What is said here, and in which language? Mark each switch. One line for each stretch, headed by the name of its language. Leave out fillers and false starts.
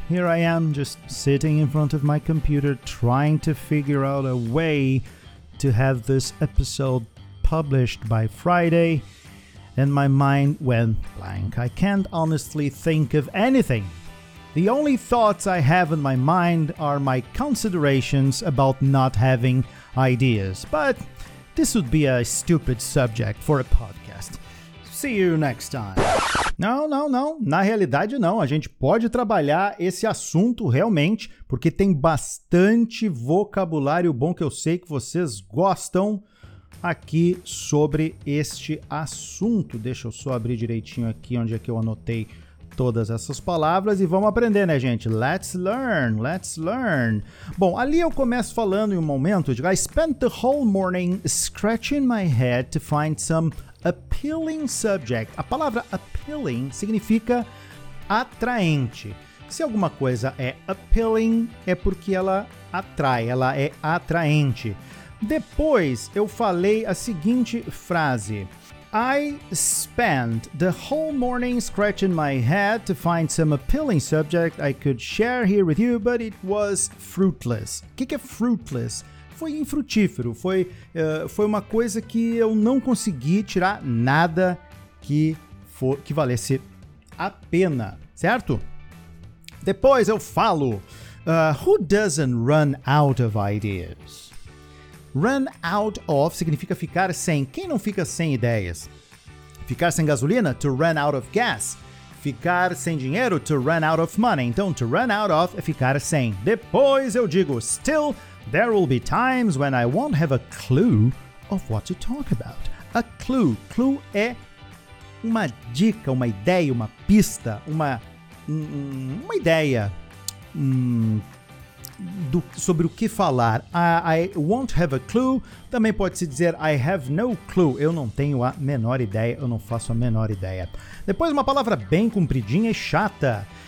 English: Here I am, just sitting in front of my computer, trying to figure out a way to have this episode published by Friday, and my mind went blank. I can't honestly think of anything. The only thoughts I have in my mind are my considerations about not having ideas, but this would be a stupid subject for a podcast. See you next time.
Portuguese: Não. Na realidade, não. A gente pode trabalhar esse assunto realmente, porque tem bastante vocabulário bom que eu sei que vocês gostam aqui sobre este assunto. Deixa eu só abrir direitinho aqui onde é que eu anotei todas essas palavras e vamos aprender, né, gente?
English: Let's learn.
Portuguese: Bom, ali eu começo falando em um momento.
English: De, I spent the whole morning scratching my head to find some appealing subject.
Portuguese: A palavra appealing significa atraente. Se alguma coisa é appealing, é porque ela atrai, ela é atraente. Depois eu falei a seguinte frase.
English: I spent the whole morning scratching my head to find some appealing subject I could share here with you, but it was fruitless.
Portuguese: O que é fruitless? Foi infrutífero, foi uma coisa que eu não consegui tirar nada que valesse a pena, certo? Depois eu falo,
English: who doesn't run out of ideas?
Portuguese: Run out of significa ficar sem. Quem não fica sem ideias? Ficar sem gasolina?
English: To run out of gas.
Portuguese: Ficar sem dinheiro?
English: To run out of money.
Portuguese: Então, to run out of é ficar sem. Depois eu digo, still,
English: There will be times when I won't have a clue of what to talk about. A clue.
Portuguese: Clue é uma dica, uma ideia, uma pista, uma ideia sobre o que falar.
English: I won't have a clue.
Portuguese: Também pode-se dizer
English: I have no clue.
Portuguese: Eu não tenho a menor ideia, eu não faço a menor ideia. Depois, uma palavra bem compridinha e chata.